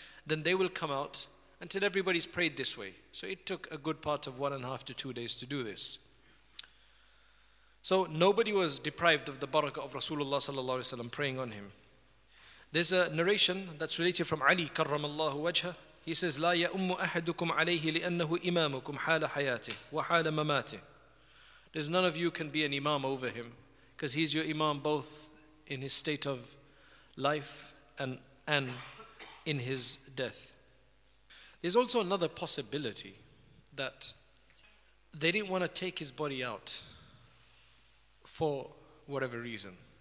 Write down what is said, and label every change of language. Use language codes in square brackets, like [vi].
[en] Then they will come out until everybody's prayed this way. So it took a good part of 1.5 to 2 days to do this. So nobody was deprived of the barakah of Rasulullah sallallahu alaihi wasallam praying on him. There's a narration that's related from Ali karramallahu wajha. He says, [ar] لَا يَأُمُّ أَحَدُكُمْ عَلَيْهِ لِأَنَّهُ إِمَامُكُمْ حَالَ حَيَاتِهِ وَحَالَ مَمَاتِهِ. [en] There's none of you can be an imam over him, because he's your imam both in his state of life and in his death. There's also another possibility, that they didn't want to take his body out for whatever reason.